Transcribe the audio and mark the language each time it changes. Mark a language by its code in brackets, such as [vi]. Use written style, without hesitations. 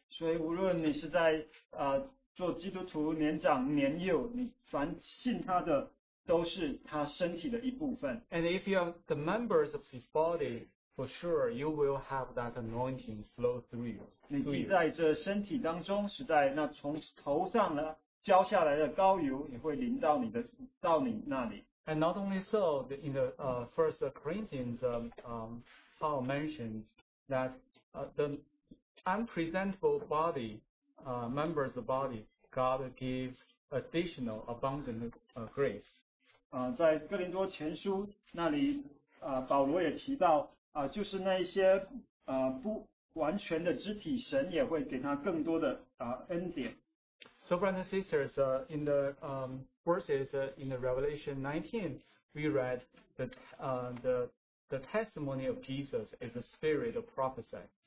[zh] 所以无论你是在, 做基督徒年长年幼, 你凡信他的, [en] and if you are the members of His body, for sure you will have that anointing flow through you. [zh] 你在这身体当中, 实在那从头上呢,浇下来的膏油, 也会淋到你的, 到你那里。 [en] And not only so, in the First Corinthians, Paul mentioned that the unpresentable body, members of the body, God gives additional abundant grace. [zh] 在哥林多前书那里, 保罗也提到, 就是那一些, 不完全的肢体, 神也会给他更多的, [en] ending. So brothers and sisters, in the verses in the Revelation 19, we read that the testimony of Jesus is the spirit of prophecy.